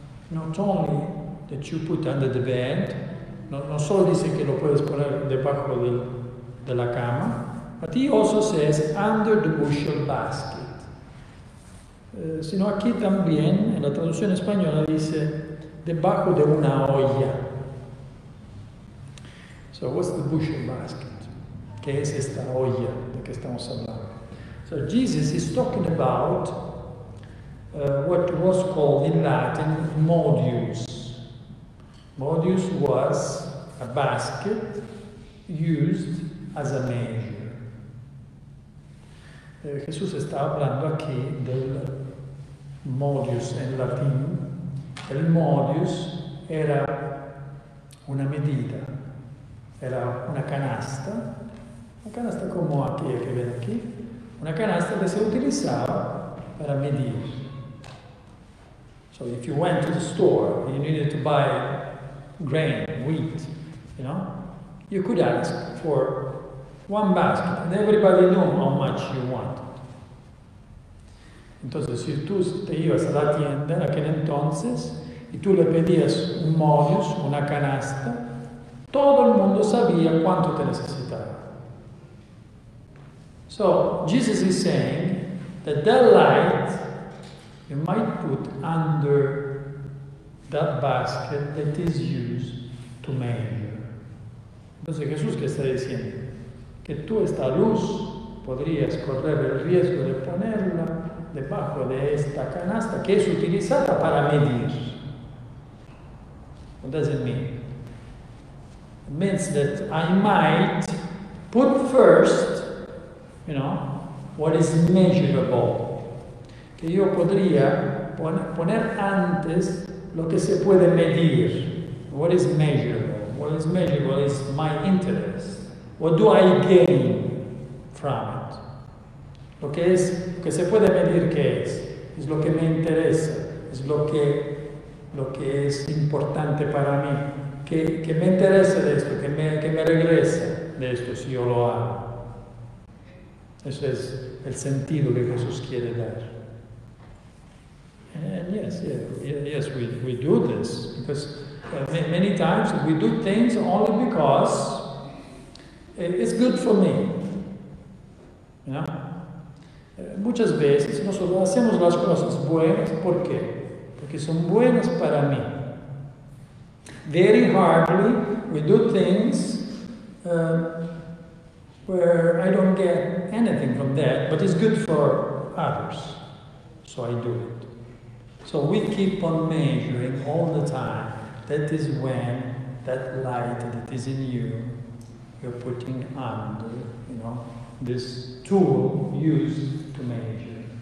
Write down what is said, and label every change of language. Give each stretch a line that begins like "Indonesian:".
English: Not only that you put under the bed,
Spanish: no solo dice que lo puedes poner debajo de la cama,
English: but he also says under the bushel basket.
Spanish: Sino aquí también, en la traducción española, dice debajo de una olla.
English: So what's the bushel basket?
Spanish: ¿Qué es esta olla de que estamos hablando?
English: So Jesus is talking about what was called in Latin modius. Modius was a basket used as a measure.
Spanish: Jesús está hablando aquí del modius en latín. El modius era una medida, era una canasta como aquí, que ven aquí, una canasta que se utilizaba para medir.
English: So if you went to the store and you needed to buy grain, wheat, you know, you could ask for one basket and everybody knew how much you want.
Spanish: Entonces, si tú te ibas a la tienda en aquel entonces y tú le pedías un modius, una canasta, todo el mundo sabía cuánto te necesitaba.
English: So, Jesus is saying that that light you might put under that basket that is used to measure.
Spanish: Entonces, Jesús, ¿qué está diciendo? Que tú esta luz podrías correr el riesgo de ponerla debajo de esta canasta que es utilizada para medir.
English: What does it mean? It means that I might put first, you know, what is measurable.
Spanish: Que yo podría poner antes lo que se puede medir.
English: What is measurable? What is measurable is my interest. What do I gain from it?
Spanish: Lo que es, que se puede medir, ¿qué es? Es lo que me interesa, es lo que es importante para mí. Que me interesa de esto, que me regresa de esto si yo lo hago. Eso es el sentido que Jesús quiere dar.
English: And yes, we do this because many times we do things only because it's good for me. You know?
Spanish: Muchas veces nosotros hacemos las cosas buenas, ¿por qué? Porque son buenas para mí.
English: Very hardly we do things where I don't get anything from that, but it's good for others, so I do it. So we keep on measuring all the time. That is when that light that is in you, you're putting under, you know, this tool used to measure.